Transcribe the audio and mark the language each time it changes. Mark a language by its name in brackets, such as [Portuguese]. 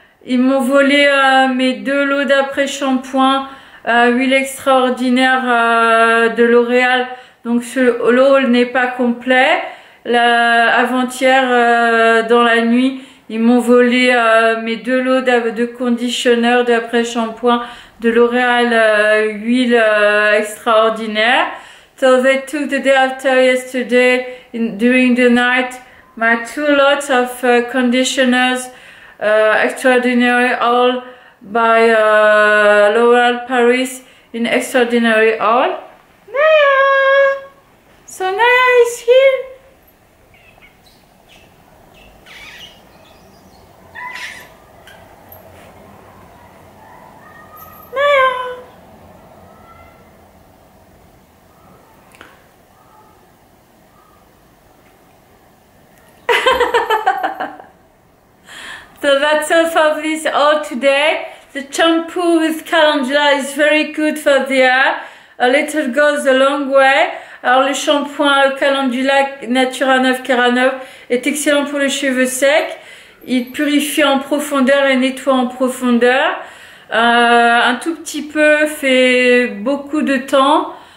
[French] Ils m'ont volé mes deux lots d'après shampoing huile extraordinaire de L'Oréal. Donc ce lot n'est pas complet. Avant-hier dans la nuit, Ils m'ont volé mes deux lots de conditionneur, d'après-shampoing, de L'Oréal huile extraordinaire. [English] So they took the day after yesterday, during the night, my two lots of conditioners, extraordinary oil by L'Oréal Paris in extraordinary oil. Naya! So Naya is here. So that's all for this haul today. The shampoo with calendula is very good for the hair. A little goes a long way. [French] Alors le shampoing calendula Natura 9 Kera 9 est excellent pour les cheveux secs. Il purifie en profondeur et nettoie en profondeur. Un tout petit peu fait beaucoup de temps.